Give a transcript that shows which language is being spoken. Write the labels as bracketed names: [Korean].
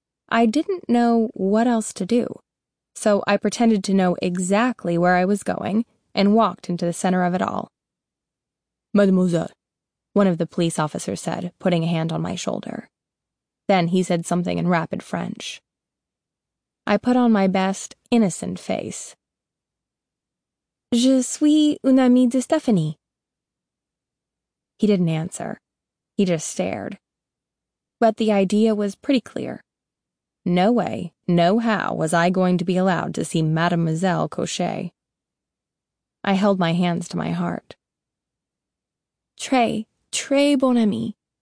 [English] I didn't know what else to do, so I pretended to know exactly where I was going and walked into the center of it all. [French] "Mademoiselle," [English] one of the police officers said, putting a hand on my shoulder. Then he said something in rapid French. I put on my best, innocent face. [French] "Je suis une amie de Stephanie." [English] He didn't answer. He just stared. But the idea was pretty clear. No way, no how was I going to be allowed to see Mademoiselle Cochet. I held my hands to my heart. [French] "Très, très bon ami."